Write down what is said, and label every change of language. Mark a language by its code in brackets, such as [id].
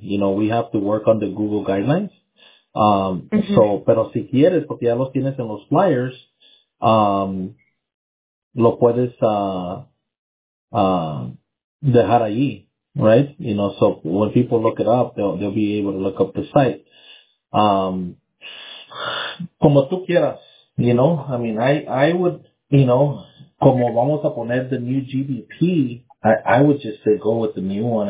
[en] You know, we have to work on the Google guidelines. [es] So, pero si quieres, porque ya los tienes en los flyers, lo puedes dejar allí. [en] Right? You know, so when people look it up, they'll be able to look up the site. [es] Como tú quieras, [en] you know, I mean, I would, you know, [es] como vamos a poner [en] the new GBP, I would just say go with the new one.